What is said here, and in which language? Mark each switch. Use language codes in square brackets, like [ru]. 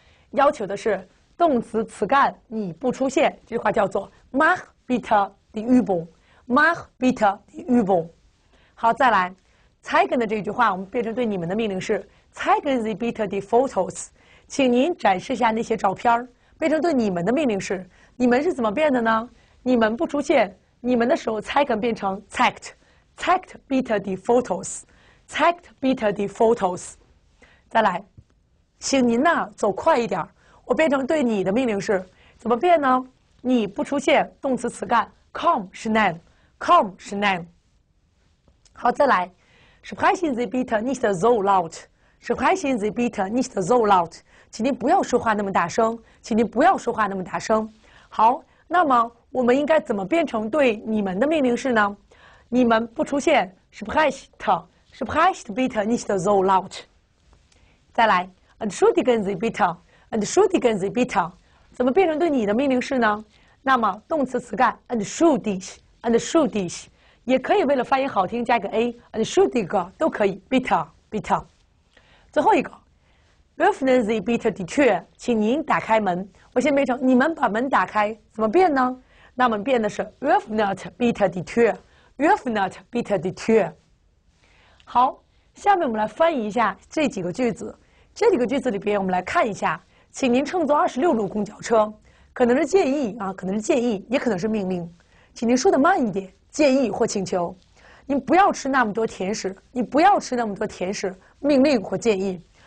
[zh] 要求的是动词词干你不出现，这句话叫做 [de] mach bitte die Übung， [zh] mach bitte die Übung。好，再来。 Zeigen 的这句话，我们变成对你们的命令是 [de] Zeigen Sie bitte die Fotos， [zh] 请您展示一下那些照片，变成对你们的命令是，你们是怎么变的呢？你们不出现，你们的时候 Zeigen 变成 [de] Zeigt bitte die Fotos， [zh] Zeigt bitte die Fotos。再来，请您呢走快一点，我变成对你的命令是，怎么变呢？你不出现，动词词干 [de] Komm schnell， [zh] Komm schnell。 [de] 好，再来，Sprechen Sie bitte nicht so laut. Sprechen Sie bitte nicht so laut. [zh] 请您不要说话那么大声，请您不要说话那么大声。好，那么我们应该怎么变成对你们的命令式呢？你们不出现 [de] ，Sprechen Sie bitte nicht so laut. [zh] 再来 [de] ，Entschuldigen Sie bitte. Entschuldigen Sie bitte. [zh] 怎么变成对你的命令式呢？那么动词词干 Entschuldigen。也可以为了发音好听加一个 a，entschuldig 都可以 ，bitte。最后一个 ， [de] öffnen Sie bitte die Tür， [zh] 请您打开门。我先变成你们把门打开，怎么变呢？那我们变的是 [de] öffnet bitte die Tür， [zh] öffnet bitte die Tür。好，下面我们来翻译一下这几个句子。这几个句子里边，我们来看一下，请您乘坐26路公交车，可能是建议啊，可能是建议，也可能是命令，请您说的慢一点。建议或请求，你不要吃那么多甜食，你不要吃那么多甜食，命令或建议。